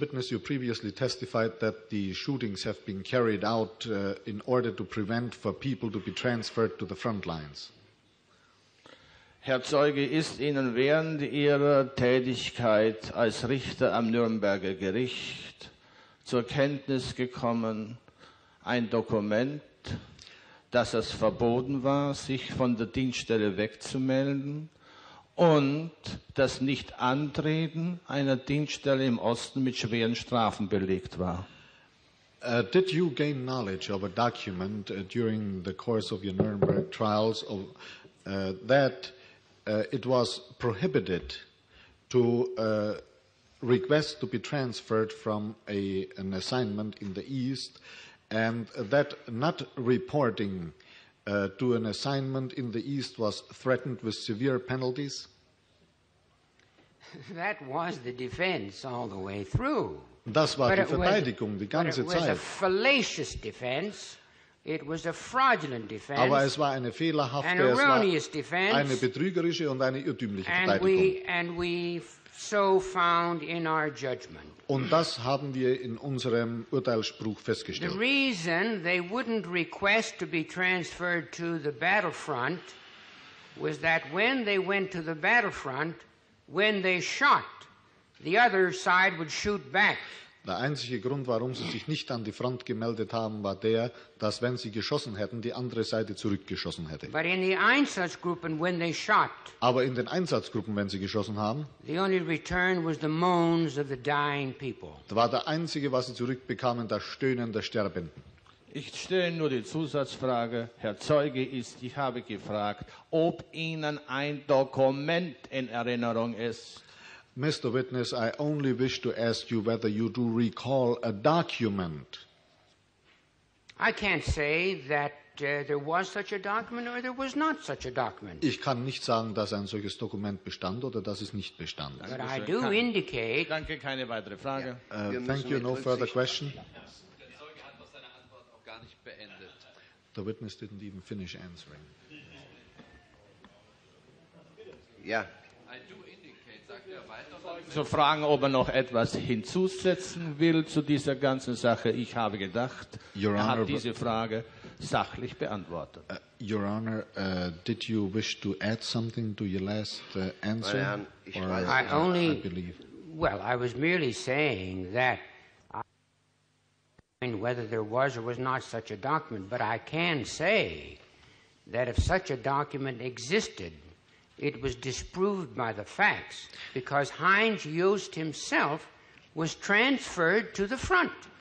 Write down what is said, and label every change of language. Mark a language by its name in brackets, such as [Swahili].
[English] Witness, you previously testified that the shootings have been carried out in order to prevent for people to be transferred to the front lines. [German] Herr Zeuge, ist Ihnen während Ihrer Tätigkeit als Richter am Nürnberger Gericht zur Kenntnis gekommen, ein Dokument, dass es verboten war, sich von der Dienststelle wegzumelden, und das Nicht-Antreten einer Dienststelle im Osten mit schweren Strafen belegt war? [English] Did you gain knowledge of a document during the course of your Nuremberg trials of, that it was prohibited to request to be transferred from an assignment in the East, and that not reporting to an assignment in the East was threatened with severe penalties? That was the defense all the way through. [German] Das war die Verteidigung die ganze Zeit. [English] But it was a fallacious defense. It was a fraudulent defense. [German] Aber es war eine fehlerhafte, [English] an erroneous defense. [German] Eine betrügerische und eine irrtümliche Verteidigung. [English] And we so found in our judgment. [German] Und das haben wir in unserem Urteilsspruch festgestellt. [English] The reason they wouldn't request to be transferred to the battlefront was that when they went to the battlefront, when they shot, the other side would shoot back. [German] Der einzige Grund, warum sie sich nicht an die Front gemeldet haben, war der, dass wenn sie geschossen hätten, die andere Seite zurückgeschossen hätte. [English] But in the Einsatzgruppen, when they shot, [German] aber in den Einsatzgruppen, wenn sie geschossen haben, [English] the only return was the moans of the dying people. [German] Da war der einzige, was sie zurückbekamen, das Stöhnen der Sterbenden. Ich stelle nur die Zusatzfrage, Herr Zeuge, ist, ich habe gefragt, ob Ihnen ein Dokument in Erinnerung ist. [English] Mr. Witness, I only wish to ask you whether you do recall a document. I can't say that there was such a document or there was not such a document. [German] Ich kann nicht sagen, dass ein solches Dokument bestand oder dass es nicht bestand. [English] But I do indicate... [German] Danke, keine weitere Frage. [English] Thank you, no further question. The witness didn't even finish answering. [German] Ja. Zu fragen, ob er noch etwas hinzusetzen will zu dieser ganzen Sache. Ich habe gedacht, [English] Your Honor, [German] er hat diese Frage sachlich beantwortet. [English] Your Honor, did you wish to add something to your last answer? I was merely saying that whether there was or was not such a document, but I can say that if such a document existed, it was disproved by the facts, because Heinz Joost himself was transferred to the front.